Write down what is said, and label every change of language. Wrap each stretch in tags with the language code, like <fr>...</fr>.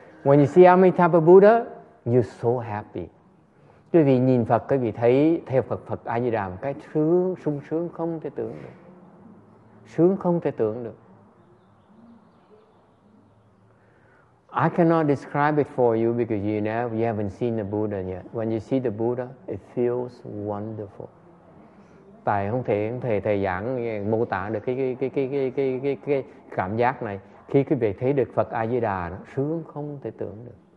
<en>When you see Amitabha Buddha, you're so happy.</en> <vi>Quý vị nhìn Phật, quý vị thấy theo Phật, Phật A Di Đà, cái sướng, sung sướng không thể tưởng được. Sướng không thể tưởng được.</vi> <en>I cannot describe it for you because you haven't seen the Buddha yet. When you see the Buddha, it feels wonderful.</en> <vi>Tại không thể thầy giảng mô tả được cái cảm giác này khi quý vị thấy được Phật A Di Đà nó sướng không thể tưởng được.</vi>